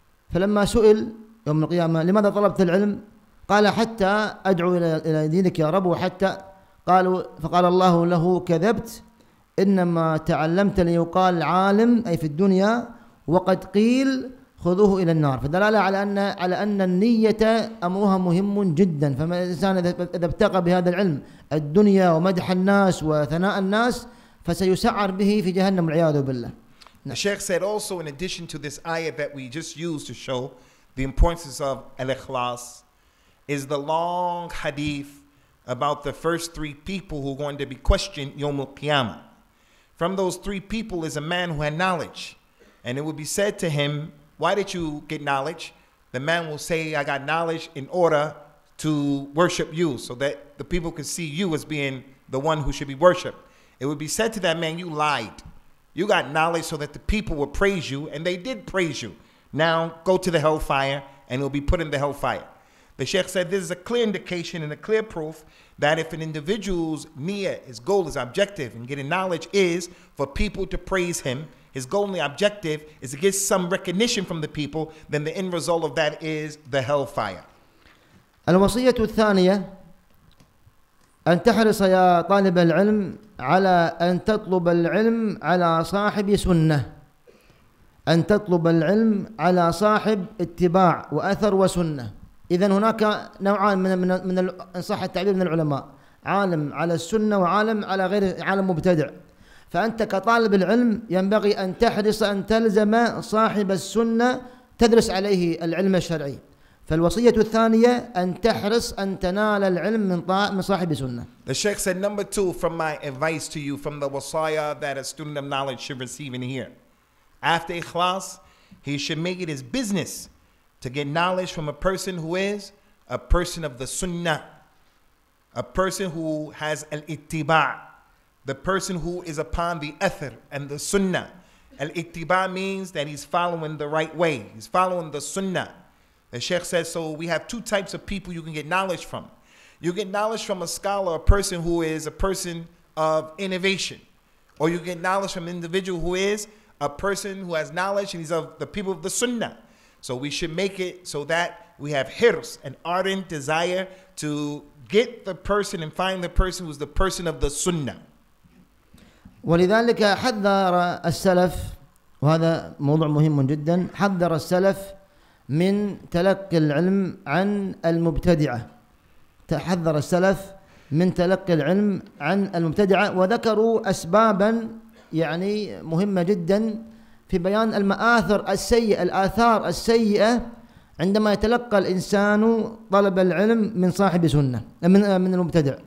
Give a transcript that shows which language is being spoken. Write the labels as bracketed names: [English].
[Arabic] فلما سئل يوم القيامة لماذا طلبت العلم؟ قال حتى أدعو إلى دينك يا رب، وحتى قالوا فقال الله له كذبت، إنما تعلمت ليقال عالم أي في الدنيا، وقد قيل خذوه إلى النار. فدلالة على أن النية أمرها مهم جدا، فما الإنسان إذا ابتغى بهذا العلم الدنيا ومدح الناس وثناء الناس فسيسعر به في جهنم العياذ بالله. [English] The Sheikh said also in addition to this ayah that we just used to show the importance of al-ikhlas is the long hadith about the first three people who are going to be questioned yawm al-qiyamah. From those three people is a man who had knowledge, and it would be said to him, why did you get knowledge? The man will say, I got knowledge in order to worship you, so that the people could see you as being the one who should be worshipped. It would be said to that man, you lied. You got knowledge so that the people would praise you, and they did praise you. Now go to the hellfire, and it will be put in the hellfire. The Sheikh said this is a clear indication and a clear proof that if an individual's niyyah, his goal, his objective in getting knowledge is for people to praise him, his goal and the objective is to get some recognition from the people, then the end result of that is the hellfire. [Arabic] الوصية الثانية أن تحرص يا طالب العلم على أن تطلب العلم على صاحب سنة أن تطلب العلم على صاحب اتباع وأثر وسنة. إذن هناك نوعان من إن صح التعبير من العلماء، عالم على السنة وعالم على غير عالم مبتدع. فأنت كطالب العلم ينبغي أن تحرص أن تلزم صاحب السنة تدرس عليه العلم الشرعي. فالوصية الثانية أن تحرص أن تنال العلم من صاحب سنة. [English] The Sheikh said number two from my advice to you from the wasaya that a student of knowledge should receive in here. After ikhlas, he should make it his business to get knowledge from a person who is a person of the sunnah, a person who has al-ittiba, the person who is upon the athar and the sunnah. Al-ittiba means that he's following the right way, he's following the sunnah. The Sheikh says, so we have two types of people you can get knowledge from. You get knowledge from a scholar, a person who is a person of innovation, or you get knowledge from an individual who is a person who has knowledge and he's of the people of the sunnah. So we should make it so that we have hirs, an ardent desire to get the person and find the person who's the person of the sunnah. [Arabic] ولذلك حذر السلف وهذا موضوع مهم جدا حذر السلف من تلقي العلم عن المبتدعة تحذر السلف من تلقي العلم عن المبتدعة وذكروا أسبابا يعني مهمة جدا في بيان المآثر السيئة الآثار السيئة عندما يتلقى الإنسان طلب العلم من صاحب سنة من المبتدع.